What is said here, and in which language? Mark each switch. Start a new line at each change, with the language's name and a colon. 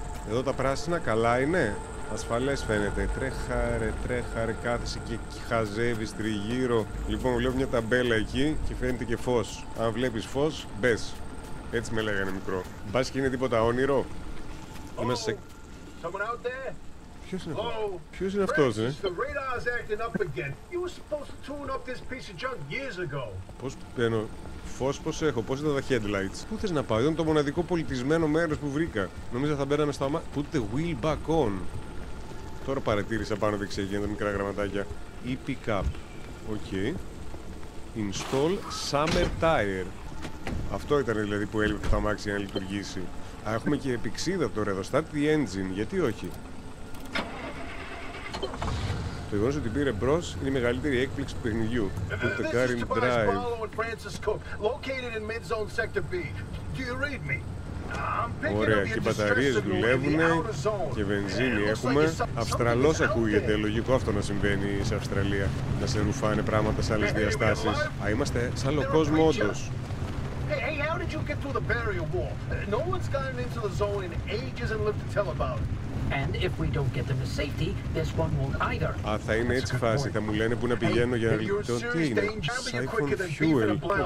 Greek: Εδώ τα πράσινα καλά είναι. Ασφαλές φαίνεται. Τρέχαρε, τρέχαρε, κάθεσαι και χαζεύεις τριγύρω. Λοιπόν, βλέπω μια ταμπέλα εκεί και φαίνεται και φως. Αν βλέπεις φως, μπες. Έτσι με λέγανε μικρό. Μπάς και είναι τίποτα όνειρο. Oh, είμαστε σε...
English: Someone out there?
Greek: Ποιος είναι, ποιος είναι αυτός, ρε.
English: The radar's acting up again. You were supposed to tune up this piece of junk years ago.
Greek: Πώς παίρνω... Φως πώς έχω, πώς ήταν τα headlights. Πού θες να πάω, ήταν το μοναδικό πολιτισμένο μέρος που βρήκα. Νομίζω θα μπαίναμε στα...
English: Put the wheel back on.
Greek: Τώρα παρατήρησα πάνω δεξιά και τα μικρά γραμματάκια. E-pickup. Ok.
English: Install summer tire.
Greek: Αυτό ήταν δηλαδή που έλειπε το αμάξι για να λειτουργήσει. Α, έχουμε και επεξίδα τώρα εδώ.
English: Start the engine.
Greek: Γιατί όχι. Το γεγονός ότι πήρε μπρος είναι η μεγαλύτερη έκπληξη του παιχνιδιού.
English: Put the car in drive.
Greek: Ωραία, και οι μπαταρίες δουλεύουν και βενζίνη έχουμε. Αυστραλός ακούγεται, λογικό αυτό να συμβαίνει σε Αυστραλία. Να σε ρουφάνε πράγματα σε άλλες διαστάσεις. Α, είμαστε σε άλλο κόσμο όντως.
English: Hey, how did you get through the barrier wall? No one's gotten into the zone in ages and lived to tell about it. And if we don't get them to safety, this one won't either.
Greek: Α, θα είναι έτσι φάση. Θα μου λένε που να πηγαίνω για να λειτουργήσω. Τι είναι, siphon fuel.